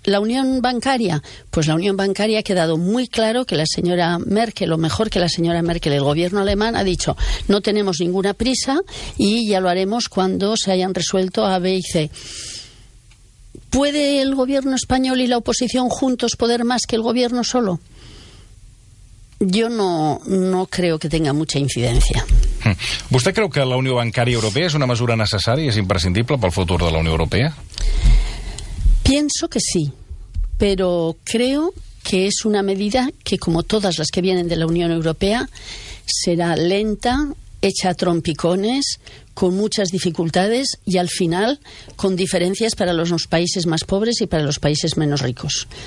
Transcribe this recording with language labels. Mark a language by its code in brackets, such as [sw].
[es] ¿La unión bancaria? Pues la unión bancaria ha quedado muy claro que la señora Merkel, o mejor que la señora Merkel, el gobierno alemán ha dicho, no tenemos ninguna prisa y ya lo haremos cuando se hayan resuelto A, B y C. ¿Puede el gobierno español y la oposición juntos poder más que el gobierno solo? Yo no creo que tenga mucha incidencia. [ca] ¿Vostè creu que la Unió Bancària Europea és una mesura necessària i és imprescindible pel futur de la Unió Europea? [es] Pienso que sí, pero creo que es una medida que, como todas las que vienen de la Unión Europea, será lenta, hecha a trompicones, con muchas dificultades y al final con diferencias para los países más pobres y para los países menos ricos.